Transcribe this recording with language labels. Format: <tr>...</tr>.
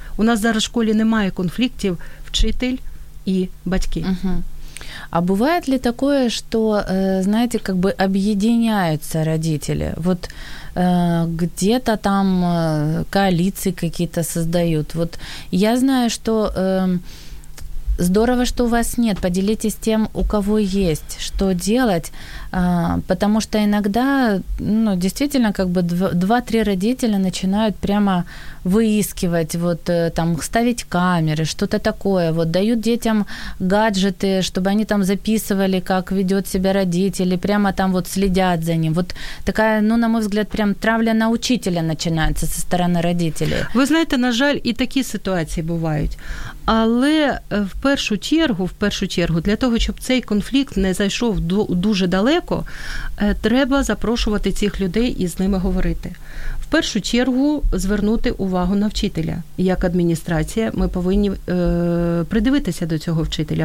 <uk>У нас зараз в школі немає конфліктів вчитель і батьки. Угу. А буває ли таке, що, знаєте, як би об'єднуються батьки? От</uk> <ru>где-то там</ru> <uk>коаліції якісь створюють. От я знаю, що здорово,</uk> <ru>что у вас нет. Поделитесь тем, у кого есть, что делать. Потому что иногда, ну, действительно, как бы 2-3 родителя начинают прямо выискивать, вот там ставить камеры, что-то такое. Вот дают детям гаджеты, чтобы они там записывали, как ведет себя родитель, прямо там вот следят за ним. Вот такая, ну, на мой взгляд, прям травля на учителя начинается со стороны родителей. Вы знаете,</ru> <uk>на жаль,</uk> <ru>и такие ситуации бывают.</ru> <uk>Але в першу чергу, для того, щоб цей конфлікт не зайшов дуже далеко, треба запрошувати цих людей і з ними говорити. В першу чергу звернути увагу на вчителя. Як адміністрація, ми повинні придивитися до цього вчителя.</uk>